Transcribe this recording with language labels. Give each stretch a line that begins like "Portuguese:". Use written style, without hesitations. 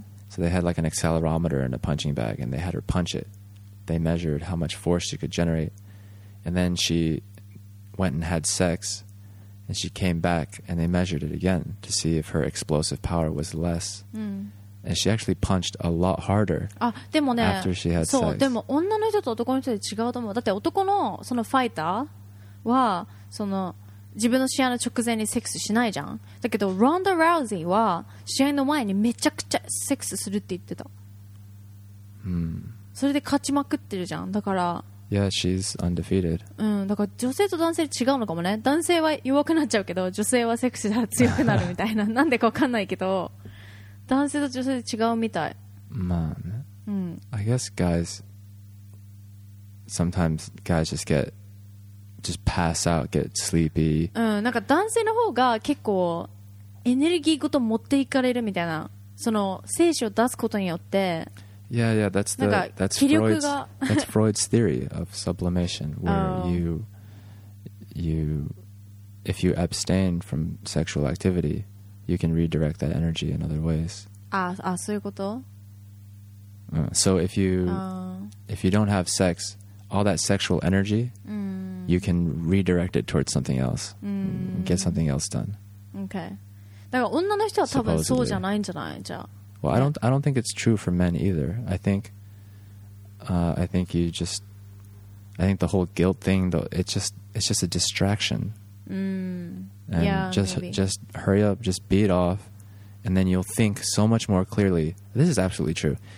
English: So they had like an accelerometer in a punching bag, and they had her punch it. They measured how much force she could generate. And then she went and had sex. And she came back and they measured it again to see if her explosive power was less. And she actually punched a lot harder after she had sex.
Japanese: でも女の人と男の人で違うと思う。だって男のそのファイターはその自分の試合の直前にセックスしないじゃん。だけどロンダ・ラウゼーは試合の前にめちゃくちゃセックスするって言ってた。うん、それで勝ちまくってるじゃん。だから
English: Yeah, she's undefeated.
Japanese: うん、だから女性と男性違うのかもね。男性は弱くなっちゃうけど、女性はセックスしたら強くなるみたいな。なんでか分かんないけど、男性と女性で違うみたい。まあね。うん。
English: I guess guys sometimes guys just get just pass out, get sleepy.
Japanese: うん、なんか男性の方が結構エネルギーごと持っていかれるみたいな。その精子を出すことによって。
English: Yeah, yeah, that's the that's Freud's theory of sublimation, where you if you abstain from sexual activity, you can redirect that energy in other ways.
Japanese: Ah, そういうこと?
English: So if you don't have sex, all that sexual energy, you can redirect it towards something else, get something else done.
Japanese: Okay, だから女の人は多分そうじゃないんじゃない? じゃあ。
English: Well, I don't think it's true for men either. I think the whole guilt thing, though, it's just a distraction. And yeah, just hurry up, just beat off, and then you'll think so much more clearly. This is absolutely true.